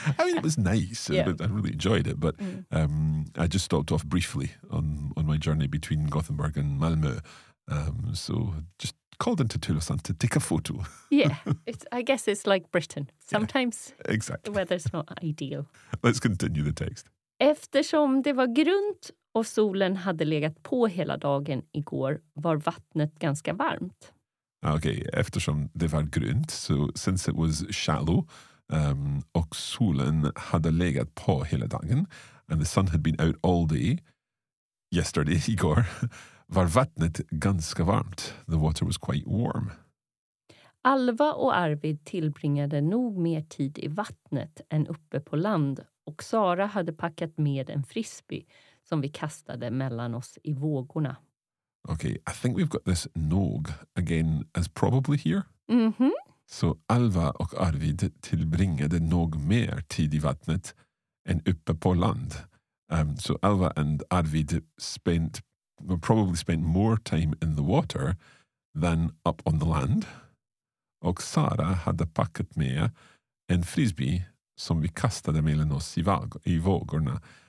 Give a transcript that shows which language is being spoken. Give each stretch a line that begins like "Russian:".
English: I mean, it was nice. Yeah. I really enjoyed it, but I just stopped off briefly on my journey between Gothenburg and Malmö. So just called into Tylösand to take a photo. Yeah, I guess it's like Britain. Sometimes yeah, exactly. The weather's not ideal. Let's continue the text.
Swedish: Eftersom det var grunt och solen hade legat på hela dagen igår var vattnet ganska varmt. Okay, eftersom det var grunt,
English: so since it was shallow
Swedish: och solen hade legat på hela dagen
English: and the sun had been out all day yesterday,
Swedish: igår, var vattnet ganska varmt.
English: The water was quite warm.
Swedish: Alva och Arvid tillbringade nog mer tid i vattnet än uppe på land och Sara hade packat med en frisbee som vi kastade mellan oss i vågorna.
English: Okay, I think we've got this nog again as probably here. Mm-hmm.
Swedish: So Alva och Arvid tillbringade nog mer tid i vattnet än uppe på land.
English: So Alva and Arvid probably spent more time in the water than up on the land.
Swedish: Och Sara hade packat med en frisbee som vi kastade mellan oss i vågorna.